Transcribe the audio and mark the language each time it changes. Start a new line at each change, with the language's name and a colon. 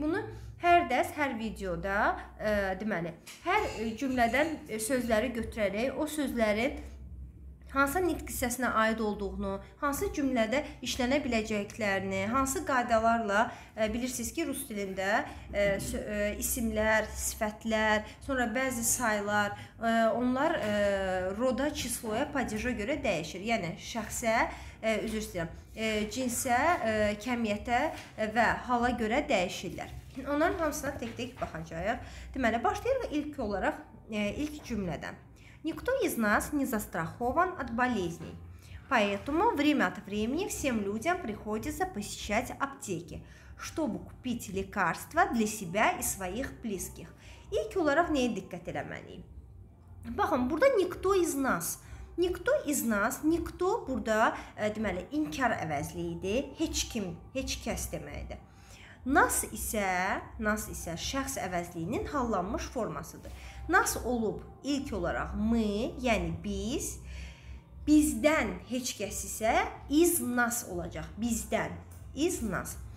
Azerbaijani: Bunu hər dərs, hər videoda, deməli, hər cümlədən sözləri götürərək o sözlərin hansı nitq hissəsinə aid olduğunu, hansı cümlədə işlənə biləcəklərini, hansı qaydalarla bilirsiniz ki, rus dilində isimlər, sifətlər, sonra bəzi saylar, onlar roda, çisloya, padeja görə dəyişir. Yəni, şəxsə, üzr istəyirəm, cinsə, kəmiyyətə və hala görə dəyişirlər. Onların hamısına tək-tək baxacaq. Deməli, başlayırıq ilk olaraq, ilk cümlədən.
Russian: Никто из нас не застрахован от болезней. Поэтому время от времени всем людям приходится посещать аптеки, чтобы купить лекарства для себя и своих близких.
Azerbaijani: İlk olaraq nəyə diqqət eləməliyik? Baxın, burada
Russian: никто из нас. Никто из нас, никто
Azerbaijani: burada deməli inkar əvəzliyidir. Heç kim, heç kəs deməkdir. Nas isə şəxs əvəzliyinin hallanmış formasıdır. Nas olub ilk olaraq mı, yəni biz, bizdən heç kəs isə
Russian: iz nas
Azerbaijani: olacaq, bizdən, iz nas.